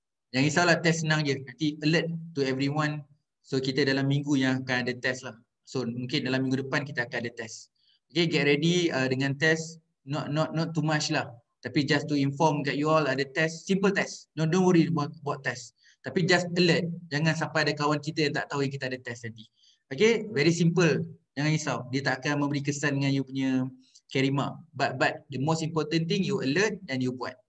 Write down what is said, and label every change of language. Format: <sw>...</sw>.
<ms>Jangan risaulah, test senang je, nanti</ms> <en>alert to everyone.</en> <ms>So kita dalam minggu yang akan ada test lah. So mungkin dalam minggu depan kita akan ada test. Okay,</ms> <en>get ready</en> <ms>dengan test.</ms> <en>Not too much lah,</en> <ms>tapi</ms> <en>just to inform</en> <ms>kat</ms> <en>you all</en> <ms>ada</ms> <en>test, simple test. No, don't worry about test,</en> <ms>tapi</ms> <en>just alert.</en> <ms>Jangan sampai ada kawan kita yang tak tahu yang kita ada test tadi.</ms> <en>Okay, very simple.</en> <ms>Jangan risau, dia tak akan memberi kesan dengan you punya carry mark.</ms> <en>But the most important thing, you alert and you</en> <ms>buat.</ms>